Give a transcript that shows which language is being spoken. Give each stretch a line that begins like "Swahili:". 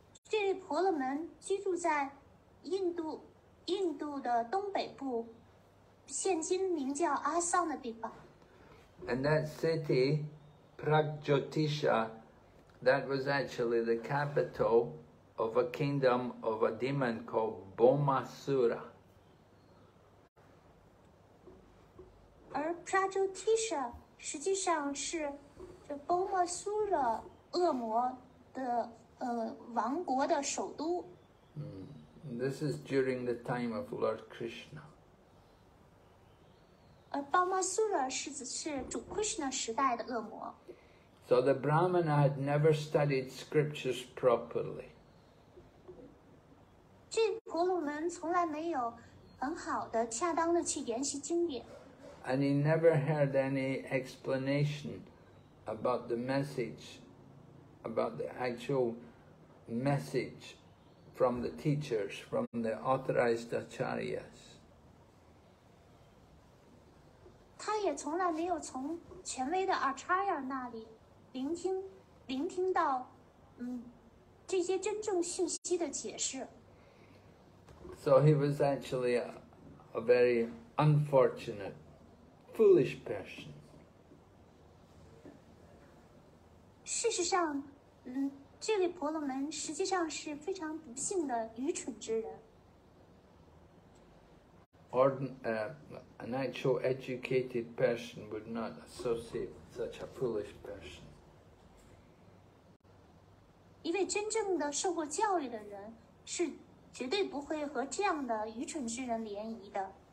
Chinese: 这位婆罗门居住在印度的东北部，现今名叫阿桑的地方。
English: And that city. Pragjyotisha, that was actually the capital of a kingdom of a demon called Bomasura. And
Chinese: Pragjyotisha, 实际上是这 Bomasura 恶魔的王国的首都。
English: This is during the time of Lord Krishna. And
Chinese: Bomasura 是主 Krishna 时代的恶魔。
English: So the Brahmana had never studied scriptures properly.
Chinese: 这婆罗门从来没有很好的、恰当的去研习经典。
English: And he never heard any explanation about the message, about the actual message from the teachers, from the authorized acharyas.
Chinese: 他也从来没有从权威的 acharya 那里。聆听到这些真正信息的解释。
English: So he was actually a very unfortunate, foolish person.
Chinese: 事实上，这位婆罗门实际上是非常不幸的愚蠢之人。
English: An actual educated person would not associate such a foolish person.
Chinese: 一位真正的受过教育的人是绝对不会和这样的愚蠢之人联谊的。